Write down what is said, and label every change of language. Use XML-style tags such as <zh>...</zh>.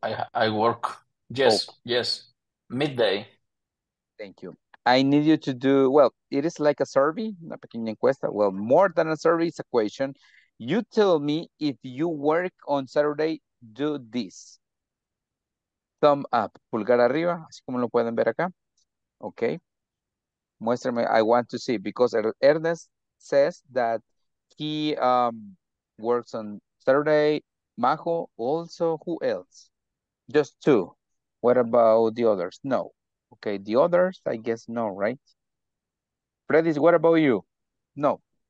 <en>Yes, I work, yes, oh. Yes, midday. Thank you. I need you to do, well, it is like a survey,</en> <es>una pequeña encuesta.</es> <en>Well, more than a survey, it's a question. You tell me if you work on Saturday, do this. Thumb up,</en> <es>pulgar arriba, así como lo pueden ver acá. Okay. Muéstrame,</es> <en>I want to see, because Ernest says that he works on Saturday. Majo also, who else? Just two. What about the others? No. Okay, the others, I guess, no, right? Freddy, what about you? No.</en>